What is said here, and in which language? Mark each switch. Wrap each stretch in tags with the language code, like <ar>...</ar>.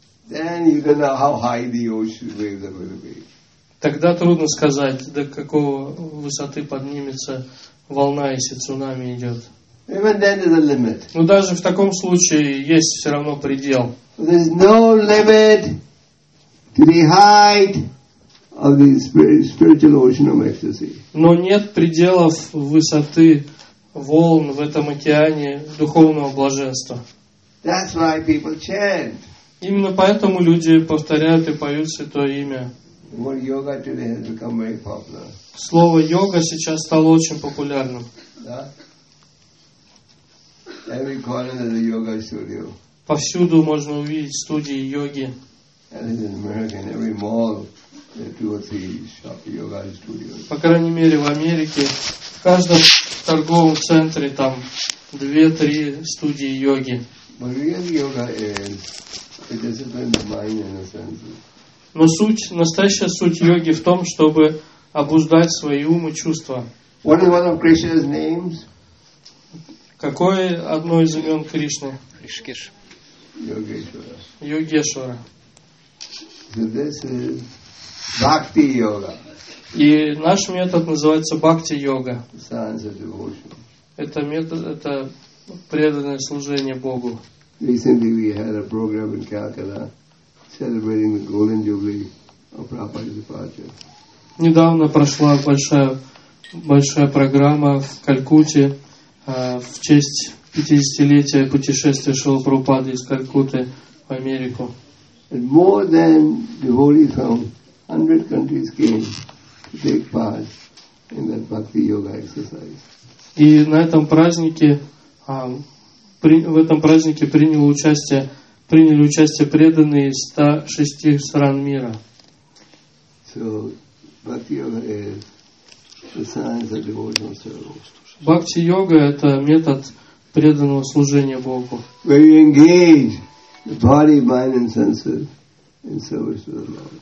<en>Then you don't know how high the ocean waves are going to be.</en> <ru>Тогда трудно сказать, до какого высоты поднимется волна, если цунами идет.</ru> <en>Even then there's a limit.</en> <ru>Но даже в таком случае есть все равно предел.</ru> <en>There's no limit to the height of the spiritual ocean of ecstasy.</en> <ru>Но нет пределов высоты волн в этом океане духовного блаженства.</ru> <en>That's why people chant.</en> <ru>Именно поэтому люди повторяют и поют Святое Имя.</ru> <en>Well, yoga today has become very popular.</en> <ru>Слово йога сейчас стало очень популярным.</ru> <en>Yeah. Every corner of the yoga studio.</en> <ru>Повсюду можно увидеть студии йоги.</ru> <en>And in America, in every mall, there are two or three shop yoga studios.</en> <ru>По крайней мере, в Америке, в каждом торговом центре там 2-3 студии йоги.</ru> <en>But really, yoga is a discipline of mind in a sense.</en> <ru>Но суть, настоящая суть йоги в том, чтобы обуздать свои ум и чувства.</ru> <en>What is one of Krishna's names?</en> <ru>Какое одно из имен Кришны? Ришкиш. Йогешвара.</ru> <en>So this is Bhakti Yoga.</en> <ru>И наш метод называется Bhakti Yoga.</ru> <en>Science of devotion.</en> <ru>Это метод, это преданное служение Богу.</ru> <en>Recently we had a program in Calcutta. Celebrating the golden jubilee of Prabhupada's departure.</en> <ru>Недавно прошла большая программа в Калькутте в честь 50-летия путешествия Шрилы Прабхупады из Калькутты в Америку.</ru> <en>And more than devotees from 100 countries came to take part in that bhakti yoga exercise.</en> <ru>И на этом празднике в этом празднике приняли участие преданные из 106 стран мира.</ru> <en>So, Bhakti-yoga is the science of devotional service.</en> <ru>Bhakti-yoga – это метод преданного служения Богу.</ru> <en>Where you engage the body, mind and senses in service to the Lord.</en>